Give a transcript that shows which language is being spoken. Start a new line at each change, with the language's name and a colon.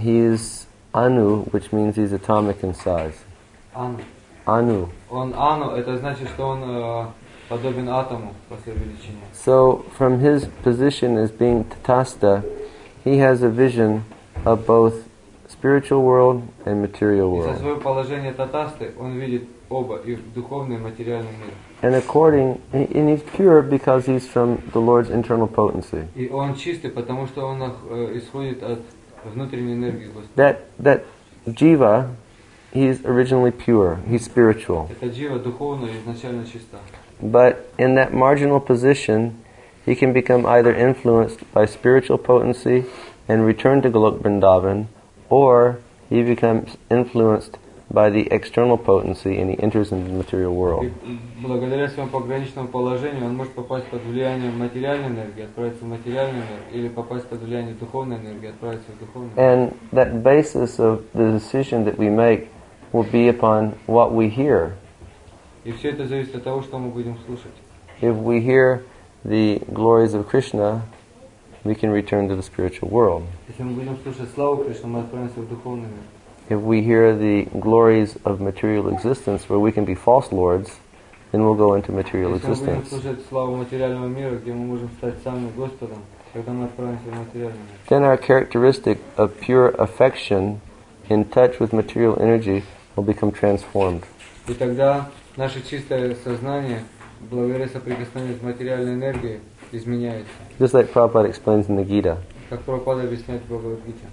English: He is Anu, which means he's atomic in size.
Sanskrit: Anu. Anu.
Russian: Он Anu, это значит, что он подобен атому по своей величине.
English: So, from his position as being Tathasta, he has a vision of both spiritual world and material world.
Russian: Из-за своего положения Tathasta, он видит оба, и духовный, и материальный мир.
English: And according, and he's pure because he's from the Lord's internal potency.
Russian: И он чистый, потому что он исходит от внутренней энергии Господа.
English: That jiva, he's originally pure, he's spiritual.
Russian: Это jiva духовно изначально чиста.
English: But in that marginal position, he can become either influenced by spiritual potency and return to Golok Vrindavan, or he becomes influenced by the external potency and he enters into the material world.
Russian: Благодаря своему пограничному положению, он может попасть под влияние материальной энергии, отправиться в материальный мир, или попасть под влияние духовной энергии, отправиться в духовный мир.
English: And that basis of the decision that we make will be upon what we hear.
Russian: И все это зависит от того, что мы будем слушать.
English: If we hear the glories of Krishna, we can return to the spiritual world.
Russian: Если мы будем слушать славу Кришны, мы отправимся в духовный мир.
English: If we hear the glories of material existence, where we can be false lords, then we'll go into material existence.
Russian: Если мы будем слушать славу материального мира, где мы можем стать самим Господом,
English: Then our characteristic of pure affection in touch with material energy will become transformed.
Russian: И тогда наше чистое сознание благодаря соприкосновению с материальной энергией изменяется.
English: Just like Prabhupada explains in the Gita.
Russian: Как Прабхупада объясняет в Бхагавад-гите.